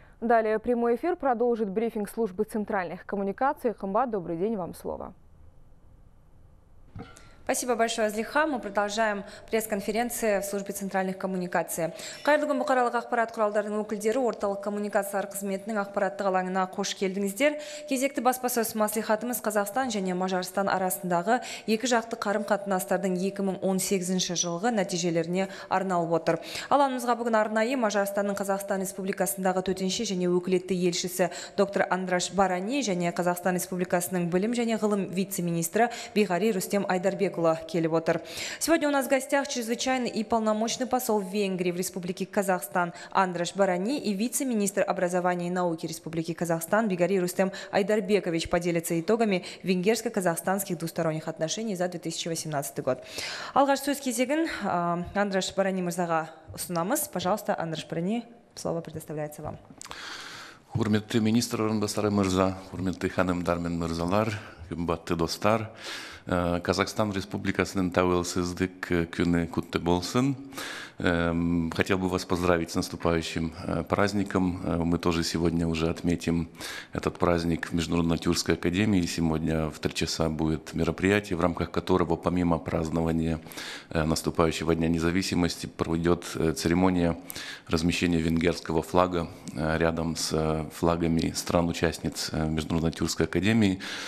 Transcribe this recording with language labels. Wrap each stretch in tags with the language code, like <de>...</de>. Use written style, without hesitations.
<ru>Далее прямой эфир продолжит брифинг службы центральных коммуникаций. Хамба, добрый день, вам слово. Спасибо большое, Азлиха. Мы продолжаем пресс-конференции в службе центральных коммуникаций.</ru> <kk>Қайырлы күн, бұқаралық ақпарат құралдарының өкілдері, орталық коммуникациялар қызметінің ақпараттық алаңына қош келдіңіздер. Кезекті баспасөз мәслихатымыз Қазақстан және Мажарстан арасындағы екі жақты қарым-қатынастардың 2018 жылғы нәтижелеріне арналып отыр. Алаңымызға бүгін арнайы Мажарстанның Қазақстан Республикасындағы төтенше және өкілетті елшісі доктор Андраш Барани және Қазақстан Республикасының білім және ғылым вице-министрі Биғари Рустем Айдар.</kk> <ru>Сегодня у нас в гостях чрезвычайный и полномочный посол Венгрии в Республике Казахстан Андраш Барани и вице-министр образования и науки Республики Казахстан Бигари Рустем Айдарбекович поделится итогами венгерско-казахстанских двусторонних отношений за 2018 год.</ru> <kk>Алғаш сөз кезегін Андраш Барани мырзаға ұсынамыз.</kk> <ru>Пожалуйста, Андраш Барани, слово предоставляется вам.</ru> <kk>Құрметті министр орынбасары мырза, құрметті ханымдар мен мырзалар, қымбатты достар. Казахстан Республикасының тәуелсіздік күні құтты болсын.</kk> <ru>Хотел бы вас поздравить с наступающим праздником. Мы тоже сегодня уже отметим этот праздник в Международной Тюркской Академии. Сегодня в 3 часа будет мероприятие, в рамках которого, помимо празднования наступающего Дня Независимости, пройдет церемония размещения венгерского флага рядом с флагами стран-участниц Международной Тюркской Академии.</ru>